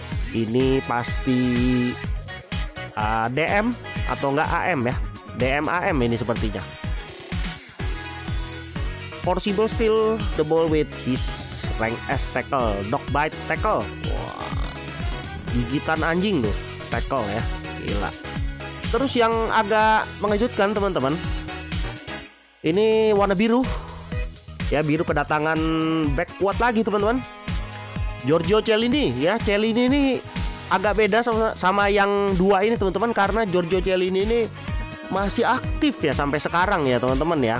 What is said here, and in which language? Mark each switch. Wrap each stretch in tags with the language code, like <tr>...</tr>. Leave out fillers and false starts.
<id>Ini pasti DM atau enggak AM ya. DM AM ini sepertinya.</id> <en>Possible steal the ball with his rank S tackle, dog bite tackle.</en> <id>Wow. Gigitan anjing tuh tackle ya. Gila. Terus yang agak mengejutkan teman-teman, ini warna biru. Ya, biru kedatangan back kuat lagi teman-teman. Giorgio Chiellini ya. Chiellini ini agak beda sama yang dua ini teman-teman, karena Giorgio Chiellini ini masih aktif ya sampai sekarang ya teman-teman ya.</id>